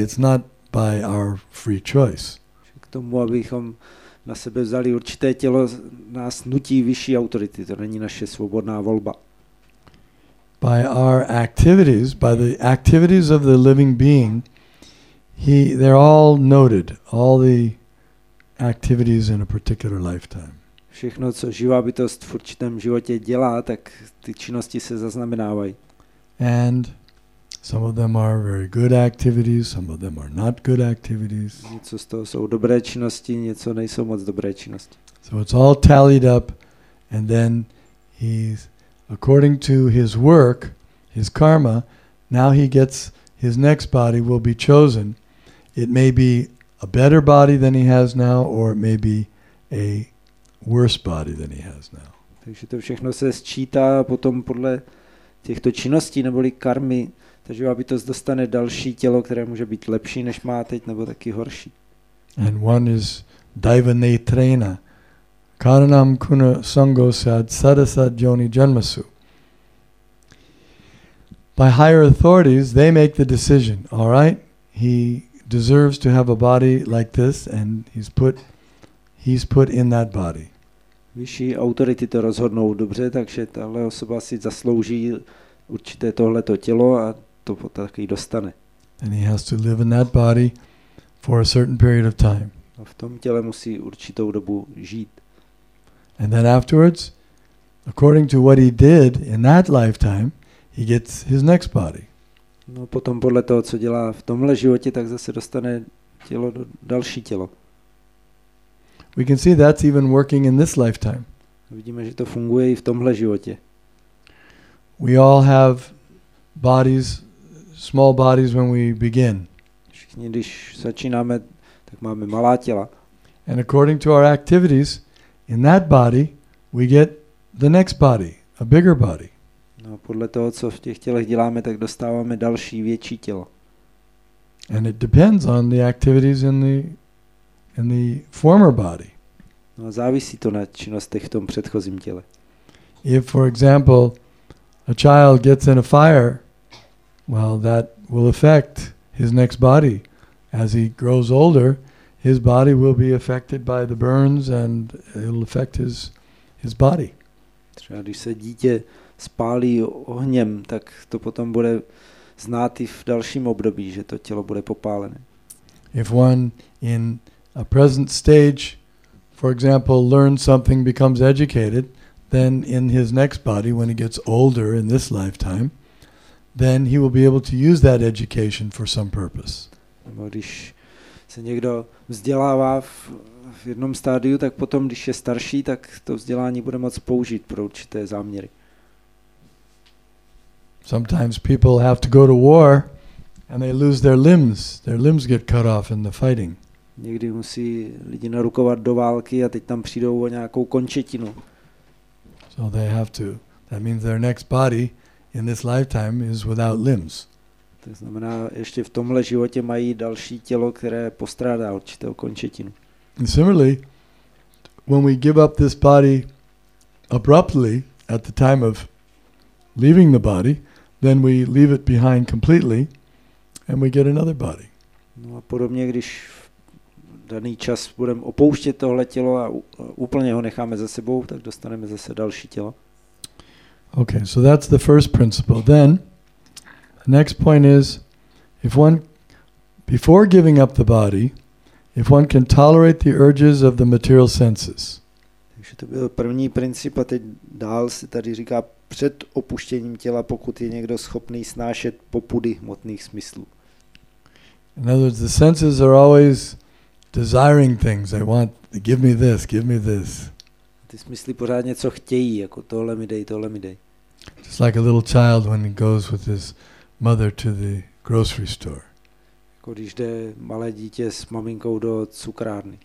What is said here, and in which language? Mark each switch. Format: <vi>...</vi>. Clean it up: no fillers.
<en>It's not by our free choice.</en> <cs>K tomu, abychom na sebe vzali určité tělo, nás nutí vyšší autority. To není naše svobodná volba.</cs> <en>By our activities, by the activities of the living being, they're all noted, all the activities in a particular lifetime.</en> <cs>Všechno, co živá bytost v určitém životě dělá, tak ty činnosti se zaznamenávají.</cs> <en>And some of them are very good activities, some of them are not good activities.</en> <cs>Něco z toho jsou dobré činnosti, něco nejsou moc dobré činnosti.</cs> <en>So it's all tallied up, and then he's, according to his work, his karma, now he gets his next body will be chosen. It may be a better body than he has now, or it may be a worse body than he has now.</en> <cs>Takže to všechno se sčítá a potom podle těchto činností neboli karmy, takže aby to dostane další tělo, které může být lepší než má teď, nebo taky horší.</cs> <en>And one is</en> <sa>daivanetrena. Karanam kuna sango sad sadasad yoni janmasu.</sa> <en>By higher authorities, they make the decision. All right, he deserves to have a body like this, and he's put in that body.</en> <cs>Vyšší autority to rozhodnou dobře, takže tahle osoba si zaslouží určité tohleto tělo a to taky dostane.</cs> <en>And he has to live in that body for a certain period of time.</en> <cs>A v tom těle musí určitou dobu žít.</cs> <en>And then afterwards, according to what he did in that lifetime, he gets his next body.</en> <cs>No potom podle toho, co dělá v tomhle životě, tak zase dostane tělo do další tělo.</cs> <en>We can see that's even working in this lifetime.</en> <cs>Vidíme, že to funguje i v tomhle životě.</cs> <en>We all have bodies, small bodies when we begin.</en> <cs>Všichni, když začínáme, tak máme malá těla.</cs> <en>And according to our activities, in that body, we get the next body, a bigger body.</en> <cs>No, podle toho, co v těch tělech děláme, tak dostáváme další větší tělo.</cs> <en>And it depends on the activities in the former body.</en> <cs>No, závisí to na činnostech v tom předchozím těle.</cs> <en>If, for example, a child gets in a fire, well, that will affect his next body. As he grows older, his body will be affected by the burns and it'll affect his body.</en> <cs>Třeba když se dítě spálí ohněm, tak to potom bude znát i v dalším období, že to tělo bude popálené.</cs> <en>If one in a present stage, for example, learns something, becomes educated, then in his next body, when he gets older in this lifetime, then he will be able to use that education for some purpose.</en> <cs>Nebo když se někdo vzdělává v jednom stádiu, tak potom, když je starší, tak to vzdělání bude moct použít pro určité záměry.</cs> <en>Sometimes people have to go to war and they lose their limbs. Their limbs get cut off in the fighting.</en> <cs>Někdy musí lidi narukovat do války a teď tam přijdou o nějakou končetinu.</cs> <en>So they have to. That means their next body in this lifetime is without limbs.</en> <cs>To znamená, ještě v tomhle životě mají další tělo, které postrádá určitou končetinu.</cs> <en>And similarly, when we give up this body abruptly at the time of leaving the body, then we leave it behind completely and we get another body.</en> <cs>No a podobně, když v daný čas budeme opouštět tohle tělo a úplně ho necháme za sebou, tak dostaneme zase další tělo.</cs> <en>Okay, so that's the first principle. Then, the next point is, if one, before giving up the body, if one can tolerate the urges of the material senses.</en> <cs>Takže to byl první princip a teď dál se tady říká před opuštěním těla, pokud je někdo schopný snášet popudy hmotných smyslů.</cs> <en>In other words, the senses are always desiring things. I want, give me this, give me this.</en> <cs>Ty smysly pořád něco chtějí, jako tohle mi dej, tohle mi dej.</cs> <en>Just like a little child when he goes with his mother to the grocery store.</en> <cs>Jako když jde malé dítě s maminkou do cukrárny.</cs>